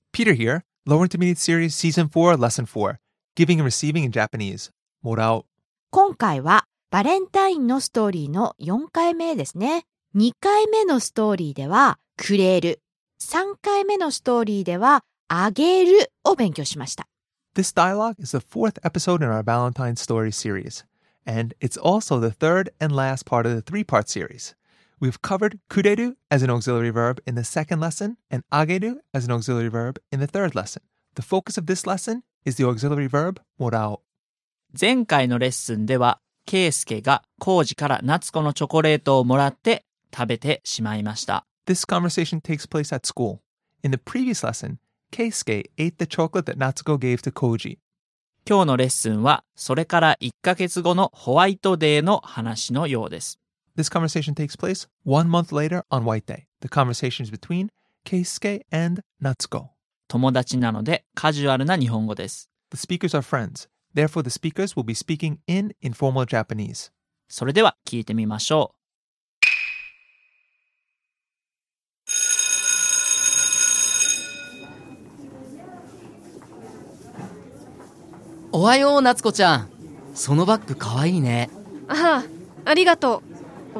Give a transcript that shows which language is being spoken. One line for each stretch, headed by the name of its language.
English: Peter here. Lower Intermediate Series Season 4, Lesson 4. Giving and Receiving in Japanese. もらう。
Japanese: 今回はバレンタインのストーリーの4回目ですね。 2回目のストーリーではくれる。3回目のストーリーではあげるを勉強しました。
English: This dialogue is the fourth episode in our Valentine Story Series. And it's also the third and last part of the three-part series. We've covered kureru as an auxiliary verb in the second lesson and ageru as an auxiliary verb in the third lesson. The focus of this lesson is the auxiliary verb もらう。
Japanese: 前回のレッスンでは、ケイスケがコウジから夏子のチョコレートをもらって食べてしまいました。
English: This conversation takes place at school. In the previous lesson, ケイスケ ate the chocolate that Natsuko gave to Koji.
Japanese: 今日のレッスンは、それから1ヶ月後のホワイトデーの話のようです。
English: This conversation takes place 1 month later on White Day. The conversation is between Keisuke and Natsuko.
Japanese: 友達なのでカジュアルな日本語です。
English: The speakers are friends. Therefore, the speakers will be speaking in informal Japanese.
Japanese: それでは聞いてみましょう。おはよう、夏子ちゃん。そのバッグかわいいね。ああ、ありがとう。